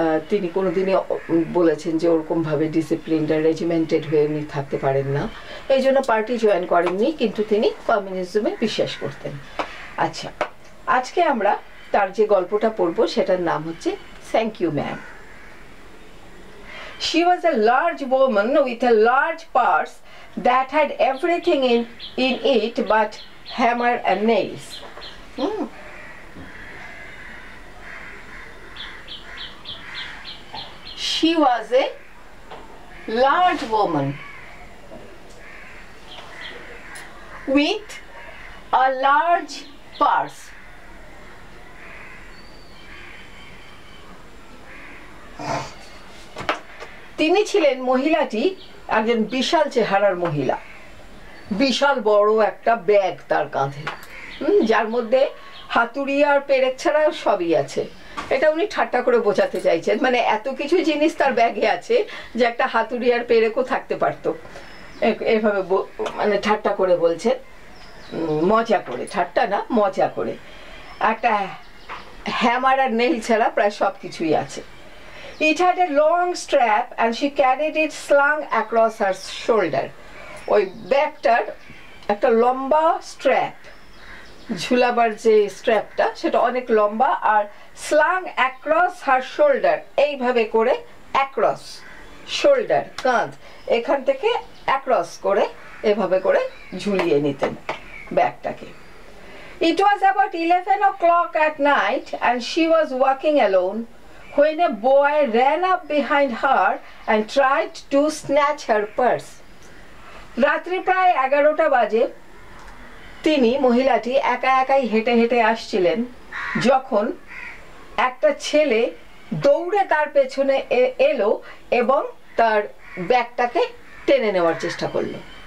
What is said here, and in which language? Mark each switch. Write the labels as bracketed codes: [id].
[bn] তিনি কোনোদিনই বলেছেন যে ওরকমভাবে ডিসিপ্লিন আর রেজিমেন্টেড হয়ে উনি থাকতে পারেন না, এই জন্য পার্টি জয়েন করেননি, কিন্তু তিনি কমিউনিজমে বিশ্বাস করতেন। আচ্ছা, আজকে আমরা তার যে গল্পটা পড়ব সেটার নাম হচ্ছে thank you ma'am. [en] She was a large woman with a large purse that had everything in it but hammer and nails. She was a large woman with a large purse. [bn] তিনি ছিলেন মহিলাটি একজন বিশাল চেহারার মহিলা, বিশাল বড় একটা ব্যাগ তার কাঁধে, যার মধ্যে হাতুড়ি আর পেরেক ছাড়া সবই আছে। এটা উনি ঠাট্টা করে বোঝাতে চাইছেন, মানে এত কিছু জিনিস তার ব্যাগে আছে যে একটা হাতুড়ি আর পেরেকও থাকতে পারতো, এভাবে মানে ঠাট্টা করে বলছেন, মজা করে, ঠাট্টা না মজা করে। একটা হ্যামার আর নেইল ছাড়া প্রায় সব কিছুই আছে। [en] It had a long strap and she carried it slung across her shoulder. [bn] ওই ব্যাগটার একটা লম্বা স্ট্র্যাপ, ঝুলাবার যে স্ট্র্যাপটা সেটা অনেক লম্বা, আর [en] slung across her shoulder, [bn] এইভাবে করে [en] across shoulder [bn] কাঁধ, এখান থেকে অ্যাক্রস করে এভাবে করে ঝুলিয়ে নিতেন ব্যাগটাকে। [en] It was about 11 o'clock at night and she was walking alone. When a boy ran up behind her and tried to snatch her purse. [bn] রাত্রি প্রায় 11টা বাজে, তিনি মহিলাটি একা একাই হেঁটে হেঁটে আসছিলেন, যখন একটা ছেলে দৌড়ে তার পেছনে এলো এবং তার ব্যাগটাকে টেনে নেওয়ার চেষ্টা করলো।